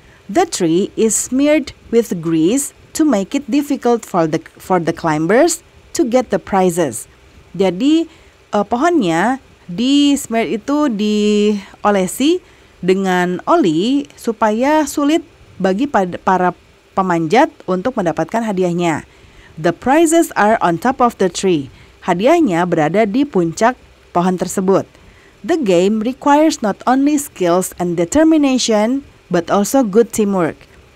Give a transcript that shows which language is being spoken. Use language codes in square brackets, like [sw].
[en] The tree is smeared with grease to make it difficult for the climbers to get the prizes. [id] Jadi pohonnya di smear itu diolesi dengan oli supaya sulit bagi para pemanjat untuk mendapatkan hadiahnya. [en] The prizes are on top of the tree. [id] Hadiahnya berada di puncak pohon tersebut. [en] The game requires not only skills and determination, but also good teamwork.